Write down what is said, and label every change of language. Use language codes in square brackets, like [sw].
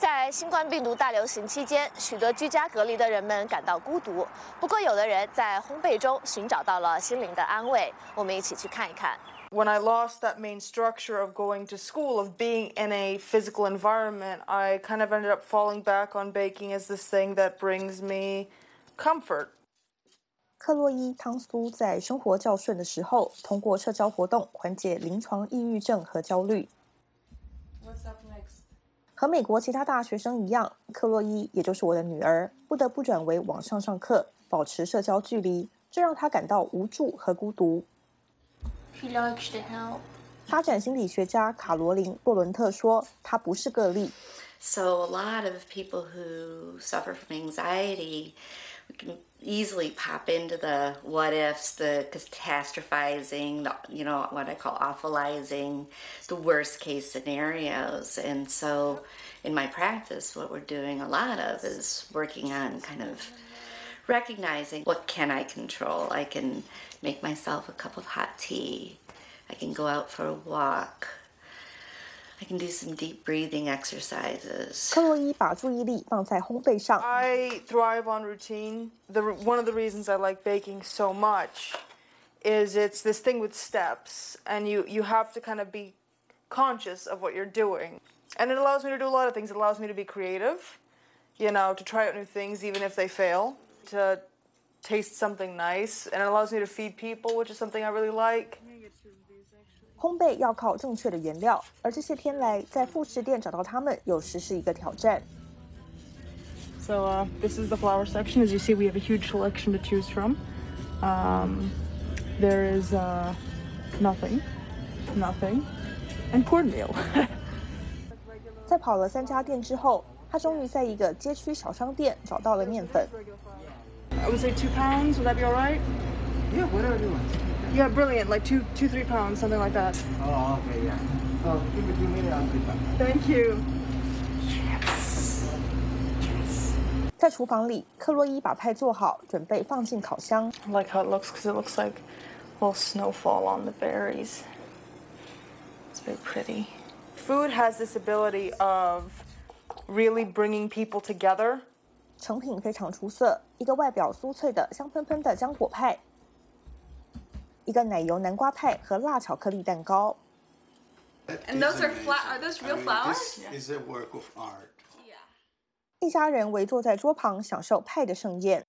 [zh] 新冠病毒大流行期间，许多居家隔离的人们感到孤独，不过有的人在烘焙中寻找到了心灵的安慰，我们一起去看一看。 [en] When I lost that main structure of going to school, of being in a physical environment, I kind of ended up falling back on baking as this thing that brings me comfort. [zh] 克洛伊·汤苏在生活较顺的时候，通过社交活动缓解临床抑郁症和焦虑。 [en] What's up next? [zh] 和美国其他大学生一样，克洛伊，也就是我的女儿，不得不转为网上上课，保持社交距离，这让她感到无助和孤独。 [en] She likes to help. [zh] 发展心理学家卡罗琳·洛伦特说，她不是个例。 [en] So a lot of people who suffer from anxiety can easily pop into the what ifs, the catastrophizing, you know, what I call awfulizing, the worst case scenarios. And so in my practice, what we're doing a lot of is working on kind of recognizing what can I control. I can make myself a cup of hot tea. I can go out for a walk. I can do some deep breathing exercises. [zh] 克洛伊把注意力放在烘焙上。 [en] I thrive on routine. One of the reasons I like baking so much is it's this thing with steps, and you have to kind of be conscious of what you're doing. And it allows me to do a lot of things. It allows me to be creative, you know, to try out new things even if they fail, to taste something nice, and it allows me to feed people, which is something I really like. [zh] 烘焙要靠正确的原料，而这些天来在副食店找到它们，有时是一个挑战。 [en] So, this is the flower section. As you see, we have a huge selection to choose from. There is nothing, and cornmeal. [zh] 在跑了三家店之后，他终于在一个街区小商店找到了面粉。 [en] I would say 2 pounds. Would that be all right? Yeah, whatever you want. Yeah, brilliant. Like two, three pounds, something like that. Oh, okay, yeah. So give me 2 minutes, I'll be back. Thank you. Yes. [zh] 在厨房里，克洛伊把派做好，准备放进烤箱。 [en] I like how it looks because it looks like little snowfall on the berries. It's very pretty. Food has this ability of really bringing people together. [zh] 成品非常出色，一个外表酥脆的香喷喷的浆果派。一个奶油南瓜派和辣巧克力蛋糕。 [en] And those are flat. Are those real flowers? This is a work of art. Yeah. [zh] 一家人围坐在桌旁，享受派的盛宴。